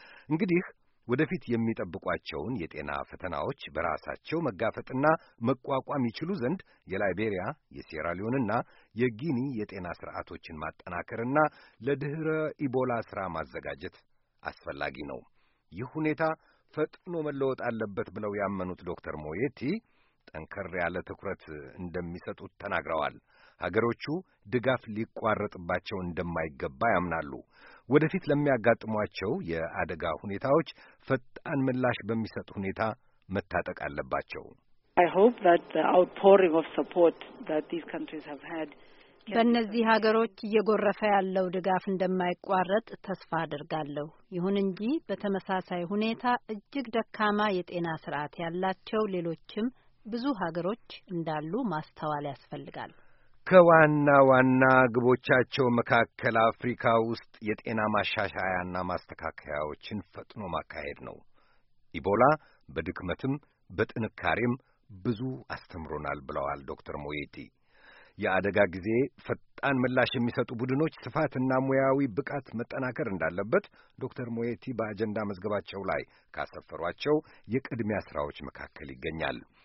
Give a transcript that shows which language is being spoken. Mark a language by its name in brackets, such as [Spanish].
[Amharic] እንግዲህ ወደፊት የሚጠብቋቸውን የጤና ፈተናዎች በራሳቸው መጋፈጥና መቋቋም ይችሉ ዘንድ የላይቤሪያ፣ የሴራሊዮንና የጊኒ የጤና ስርዓቶችን ማጠናከርና ለድህረ ኢቦላ ስራ ማዘጋጀት አስፈላጊ ነው። ይህ ሁኔታ ፈጥኖ መለወጥ አለበት ብለው ያመኑት ዶክተር ሞየቲ ጠንከር ያለ ትኩረት እንደሚሰጡት ተናግረዋል። ሀገሮቹ ድጋፍ ሊቋረጥባቸው እንደማይገባ ያምናሉ። ወደፊት ለሚያጋጥሟቸው የአደጋ ሁኔታዎች ፈጣን ምላሽ በሚሰጥ ሁኔታ መታጠቅ አለባቸው። [English] I hope that the outpouring of support that these countries have had [Amharic] በእነዚህ ሀገሮች እየጎረፈ ያለው ድጋፍ እንደማይቋረጥ ተስፋ አድርጋለሁ። ይሁን እንጂ በተመሳሳይ ሁኔታ እጅግ ደካማ የጤና ስርዓት ያላቸው ሌሎችም ብዙ ሀገሮች እንዳሉ ማስተዋል ያስፈልጋል። ከዋና ዋና ግቦቻቸው መካከል አፍሪካ ውስጥ የጤና ማሻሻያና ማስተካከያዎችን ፈጥኖ ማካሄድ ነው። ኢቦላ በድክመትም በጥንካሬም ብዙ አስተምሮናል ብለዋል ዶክተር ሞየቲ። የአደጋ ጊዜ ፈጣን ምላሽ የሚሰጡ ቡድኖች ስፋትና ሙያዊ ብቃት መጠናከር እንዳለበት ዶክተር ሞየቲ በአጀንዳ መዝገባቸው ላይ ካሰፈሯቸው የቅድሚያ ስራዎች መካከል ይገኛል።